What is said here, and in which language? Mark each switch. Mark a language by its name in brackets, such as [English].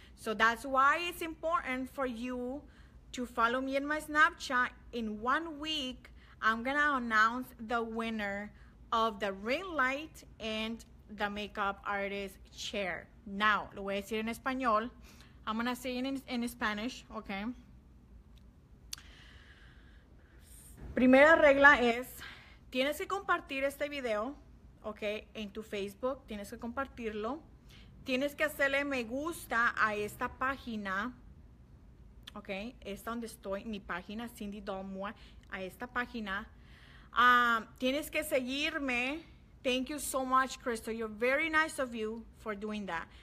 [English] So that's why it's important for you to follow me in my Snapchat. In 1 week, I'm going to announce the winner of the ring light and the makeup artist chair. Now, [Spanish] lo voy a decir en español. [English] I'm going to say it in Spanish, okay? [Spanish] Primera regla es, tienes que compartir este video, okay, en tu Facebook. Tienes que compartirlo. Tienes que hacerle me gusta a esta página, okay? Esta donde estoy, mi página, Cindy Domua, a esta página. Tienes que seguirme. [English] Thank you so much, Crystal. You're very nice of you for doing that.